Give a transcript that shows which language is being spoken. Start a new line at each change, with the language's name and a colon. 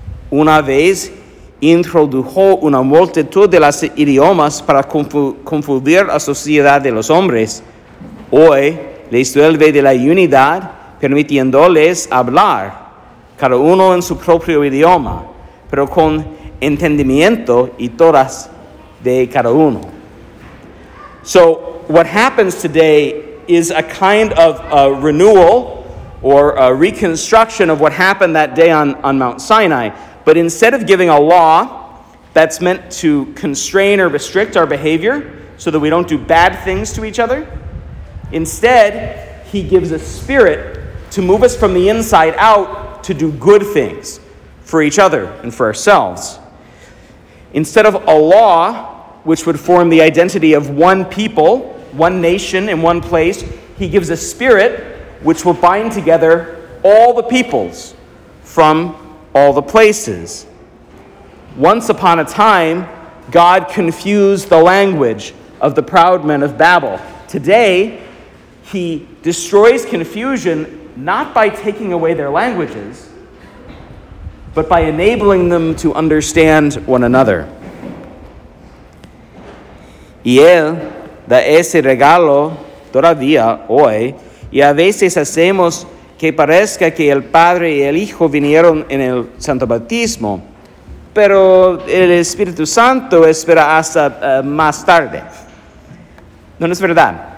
Spanish: Una vez introdujo una multitud de los idiomas para confundir la sociedad de los hombres, hoy les vuelve de la unidad, permitiéndoles hablar cada uno en su propio idioma, pero con entendimiento y todas de cada uno.
English: So what happens today is a kind of a renewal or a reconstruction of what happened that day on Mount Sinai. But instead of giving a law that's meant to constrain or restrict our behavior so that we don't do bad things to each other, instead, he gives a spirit to move us from the inside out to do good things for each other and for ourselves. Instead of a law which would form the identity of one people, one nation in one place, he gives a spirit which will bind together all the peoples from all the places. Once upon a time, God confused the language of the proud men of Babel. Today, he destroys confusion not by taking away their languages, but by enabling them to understand one another.
Spanish: Y él da ese regalo todavía hoy, y a veces hacemos que parezca que el Padre y el Hijo vinieron en el Santo Bautismo, pero el Espíritu Santo espera hasta más tarde. No es verdad.